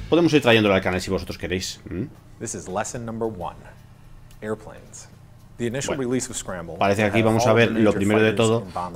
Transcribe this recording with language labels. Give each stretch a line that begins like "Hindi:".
Spanish: Podemos ir trayéndolo al canal si vosotros queréis.
English: This is lesson number one, airplanes. The initial release of Scramble.
Spanish: Parece que aquí vamos a ver lo primero de todo.